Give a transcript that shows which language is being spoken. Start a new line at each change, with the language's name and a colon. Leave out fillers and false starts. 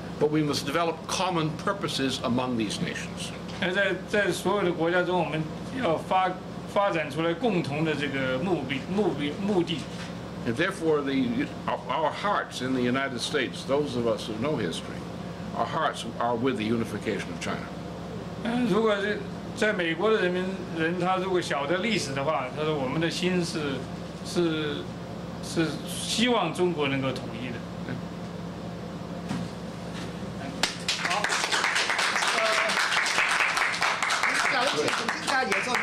English: But we must develop common purposes among these nations.
Chinese: 在所有的国家中，我们要发展出来共同的这个目的。
English: And therefore, our hearts in the United States, those of us who know history, our hearts are with the unification of China.
Chinese: 如果是在美国的人他如果晓得历史的话，他说我们的心是。是希望中国能够统一的。好，今天两位请精彩演说。